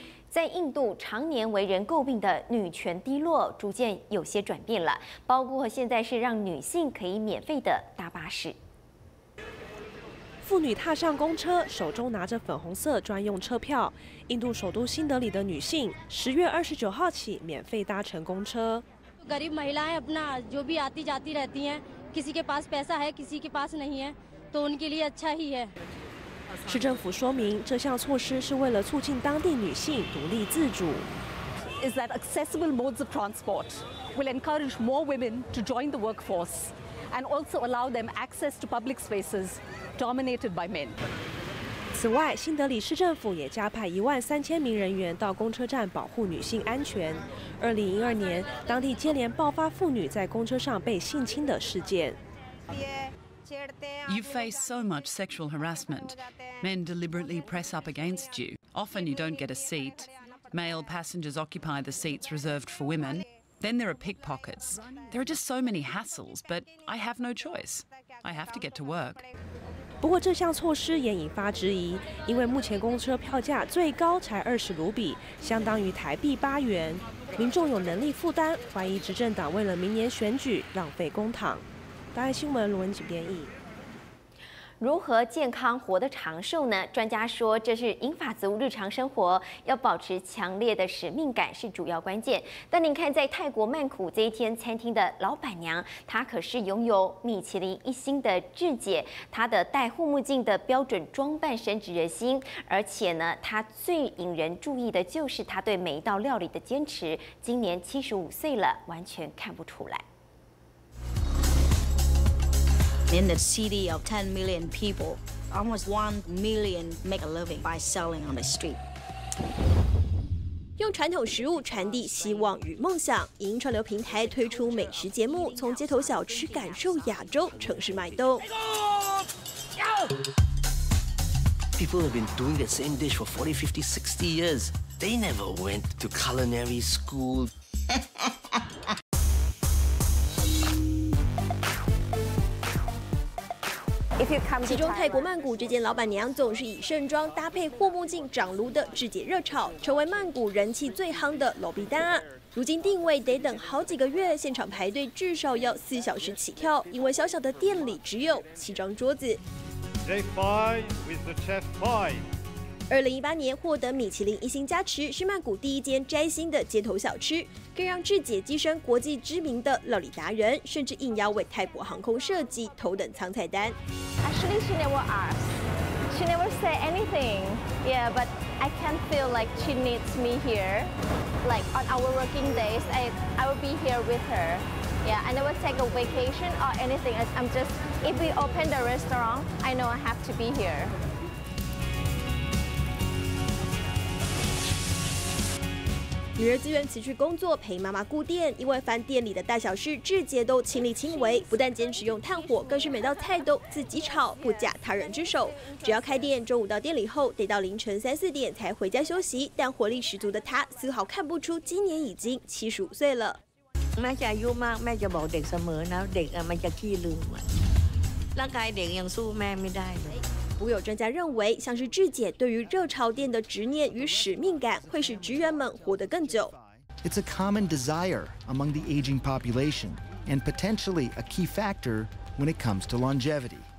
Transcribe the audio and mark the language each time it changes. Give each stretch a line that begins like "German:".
Chinese: 在印度常年为人诟病的女权低落逐渐有些转变了，包括现在是让女性可以免费的搭巴士。妇女踏上公车，手中拿着粉红色专用车票。印度首都新德里的女性10月29号起免费搭乘公车。
Hindi: गरीब महिलाएं अपना जो भी आती जाती रहती हैं, किसी के पास पैसा है, किसी के पास नहीं है, तो उनके लिए अच्छा ही है。
Chinese: 市政府说明，这项措施是为了促进当地女性独立自主。
English: Is that accessible modes of transport will encourage more women to join the workforce and also allow them access to public spaces dominated by men。
Chinese: 此外，新德里市政府也加派13000名人员到公车站保护女性安全。 2012年，当地接连爆发妇女在公车上被性侵的事件。
English: You face so much sexual harassment. Men deliberately press up against you. Often you don't get a seat. Male passengers occupy the seats reserved for women. Then there are pickpockets. There are just so many hassles, but I have no choice. I have to get to work.
Chinese: 不过这项措施也引发质疑，因为目前公车票价最高才20卢比，相当于台币8元。民众有能力负担，怀疑执政党为了明年选举浪费公帑。大爱新闻罗文锦编译。如何健康活得长寿呢？专家说，这是银发族日常生活要保持强烈的使命感是主要关键。但您看，在泰国曼谷这一间餐厅的老板娘，她可是拥有米其林一星的质检，她的戴护目镜的标准装扮深植人心，而且呢，她最引人注意的就是她对每一道料理的坚持。今年75岁了，完全看不出来。
English: In the city of 10 million people, almost 1 million make a living by selling on the street.
Chinese: 用传统食物传递希望与梦想，银川流平台推出美食节目，从街头小吃感受亚洲城市脉动。
English: People have been doing the same dish for 40, 50, 60 years. They never went to culinary school.
Chinese: 其中泰国曼谷这间老板娘总是以盛装搭配护目镜掌炉的质检热炒，成为曼谷人气最夯的楼比丹。如今定位得等好几个月，现场排队至少要4小时起跳，因为小小的店里只有7张桌子。 2018年获得米其林一星加持，是曼谷第一间摘星的街头小吃，更让质检跻身国际知名的料理达人，甚至应邀为泰国航空设计头等舱菜单。
English: Actually, she never asks. She never say anything. Yeah, but I can feel like she needs me here. Like on our working days, I will be here with her. Yeah, I never take a vacation or anything. I'm just if we open the restaurant, I know I have to be here.
Chinese: 女儿自愿辞去工作陪妈妈顾店，因为凡店里的大小事质检都亲力亲为，不但坚持用炭火，更是每道菜都自己炒，不假他人之手。只要开店，中午到店里后得到凌晨3、4点才回家休息，但活力十足的她丝毫看不出今年已经75岁了。
Thai: แม่จะอายุมากแม่จะบอกเด็กเสมอนะเด็กมันจะขี้ลืมร่างกายเด็กยังสู้แม่ไม่ได้เลย
Chinese: 不有专家认为，像是质检对于热炒店的执念与使命感，会使职员们活得更久。
English: It's a common desire among the aging population, and potentially a key factor when it comes to longevity.